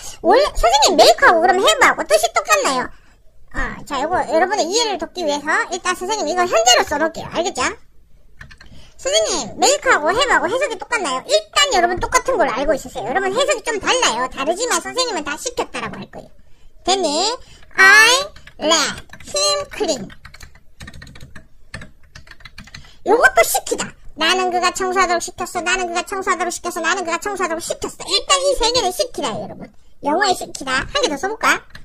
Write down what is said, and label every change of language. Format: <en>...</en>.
<ko>원래 선생님 메이크하고 그럼 해브하고 뜻이 똑같나요? 자, 이거 여러분의 이해를 돕기 위해서 일단 선생님 이거 현재로 써놓을게요. 알겠죠? 선생님 메이크하고 해브하고 해석이 똑같나요? 일단 여러분 똑같은 걸 알고 있으세요. 여러분 해석이 좀 달라요. 다르지만 선생님은 다 시켰다라고 할 거예요. 됐니?</ko> <en>I let him clean.</en> <ko>이것도 시키다. 나는 그가 청소하도록 시켰어. 나는 그가 청소하도록 시켰어. 나는 그가 청소하도록 시켰어. 일단 이 세 개를 시키라, 여러분. 영어에 시키라. 한 개 더 써볼까?</ko>